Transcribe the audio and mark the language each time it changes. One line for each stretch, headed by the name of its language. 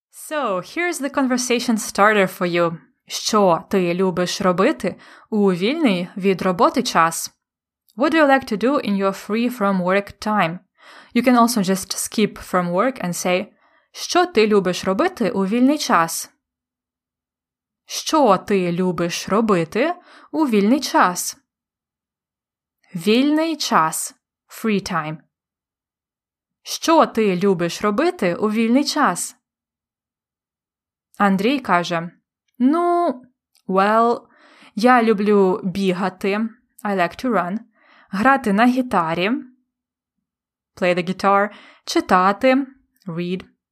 English: So, here's the conversation starter for you.
Ukrainian: Що ти любиш робити у вільний від роботи час?
English: What do you like to do in your free from work time? You can also just skip from work and say,
Ukrainian: що ти любиш робити у вільний час? Що ти любиш робити у вільний час? Вільний час.
English: Free time.
Ukrainian: Що ти любиш робити у вільний час? Андрій каже, ну, well, я люблю бігати,
English: I like to run,
Ukrainian: грати на гітарі,
English: play the guitar,
Ukrainian: читати, read.